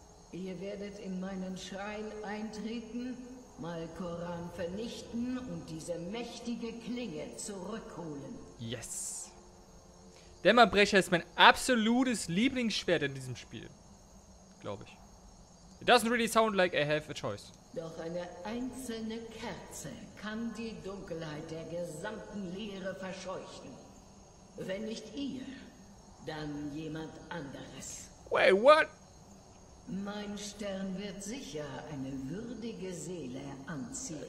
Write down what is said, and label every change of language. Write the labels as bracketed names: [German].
[German] Ihr werdet in meinen Schrein eintreten, Malkoran vernichten und diese mächtige Klinge zurückholen. [English] Yes. [German] Dämmerbrecher ist mein absolutes Lieblingsschwert in diesem Spiel. Glaube ich. [English] It doesn't really sound like I have a choice. [German] Doch eine einzelne Kerze kann die Dunkelheit der gesamten Leere verscheuchen. Wenn nicht ihr, dann jemand anderes. [English] Wait, what? [German] Mein Stern wird sicher eine würdige Seele anziehen.